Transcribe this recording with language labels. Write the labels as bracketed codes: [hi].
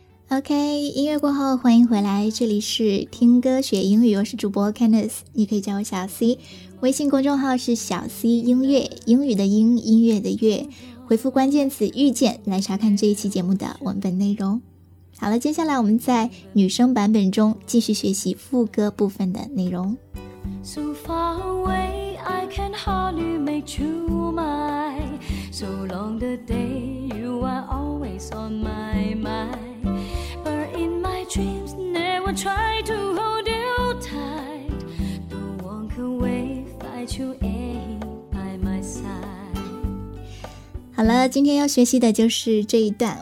[zh] OK， 音乐过后欢迎回来，这里是听歌学英语，我是主播 Candice， 你可以叫我小 C， 微信公众号是小 C 音乐，英语的英，音乐的乐，回复关键词遇见来查看这一期节目的文本内容。好了，接下来我们在女生版本中继续学习副歌部分的内容。 [en] So far away, I can hardly make you my. So long the day, you are always on my mindDreams never try to hold you tight. Don't walk away, fight you ain't by my side. [zh] 好了，今天要学习的就是这一段。